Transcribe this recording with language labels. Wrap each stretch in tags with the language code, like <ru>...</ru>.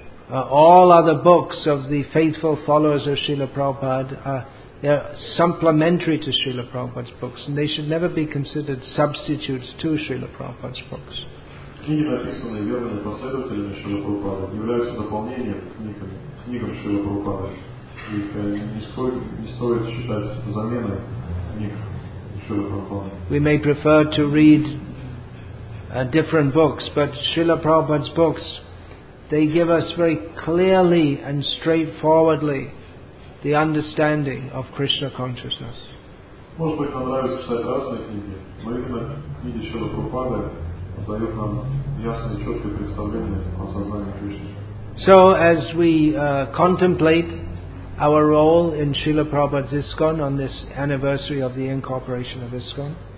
<en>All other books of the faithful followers of Srila Prabhupada are supplementary to Srila Prabhupada's books, and they should never be considered substitutes to Srila Prabhupada's books.</en> <ru>Книги, написанные верными последователями Шрилы Прабхупады, являются дополнением книгам Шрилы Прабхупады. Их не стоит считать заменой книг Шрилы Прабхупады.</ru> <en>We may prefer to read different books, but Srila Prabhupada's books, they give us very clearly and straightforwardly the understanding of Krishna consciousness.</en> <ru>Может быть, нам нравится читать разные книги, но именно книги Шрилы Прабхупады дают нам ясное и четкое представление о сознании Кришны.</ru> <en>So as we contemplate our role in Srila Prabhupada's ISKCON on this anniversary of the incorporation of ISKCON.</en>